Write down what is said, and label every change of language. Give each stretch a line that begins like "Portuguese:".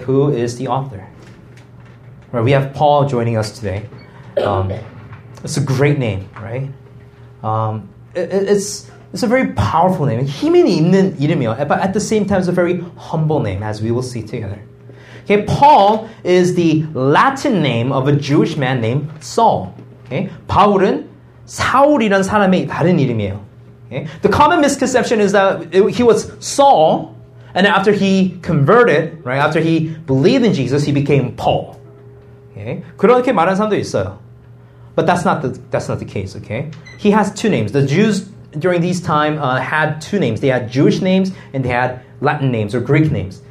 English: Who is the author? Right, we have Paul joining us today. It's a great name, right? It's a very powerful name.
Korean: 힘이 있는 이름이요.
English: But at the same time, it's a very humble name, as we will see together. Okay, Paul is the Latin name of a Jewish man named Saul.
Korean: Okay, 바울은 사울이라는 사람의 다른 이름이에요.
English: Okay, the common misconception is that he was Saul, and after he converted, right, after he believed in Jesus, he became Paul. Okay,
Korean: 그렇게 말하는 사람도 있어요.
English: But that's not the case. Okay, he has two names. The Jews during these times had two names. They had Jewish names and they had Latin names or Greek names.